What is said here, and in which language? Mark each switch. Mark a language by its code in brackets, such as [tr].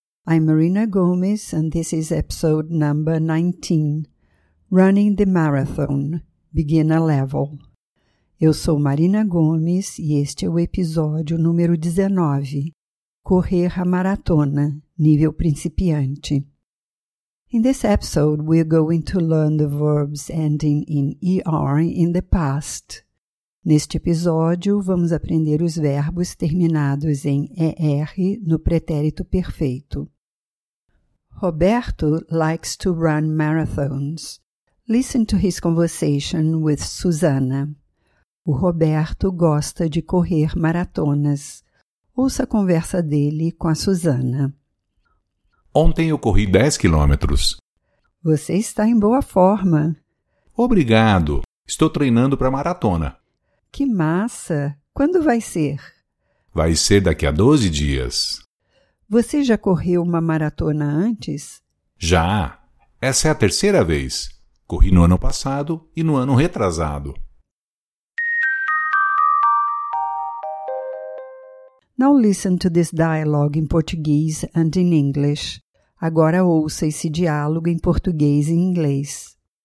[en] I'm Marina Gomes and this is episode number 19, Running the Marathon, Beginner Level. [pt] Eu sou Marina Gomes e este é o episódio número 19, Correr a Maratona, Nível Principiante. [en] In this episode, we're going to learn the verbs ending in ER in the past. [pt] Neste episódio, vamos aprender os verbos terminados em ER no pretérito perfeito. [en] Roberto likes to run marathons. Listen to his conversation with Susana. [pt] O Roberto gosta de correr maratonas. Ouça a conversa dele com a Susana. Ontem eu corri 10 quilômetros. Você está em boa forma. Obrigado. Estou treinando para a maratona. Que massa! Quando vai ser? Vai ser daqui a 12 dias. Você já correu uma maratona antes? Já. Essa é a terceira vez. Corri no ano passado e no ano retrasado. [en] Now listen to this dialogue in Portuguese and in English. [pt] Agora ouça esse diálogo em português e inglês.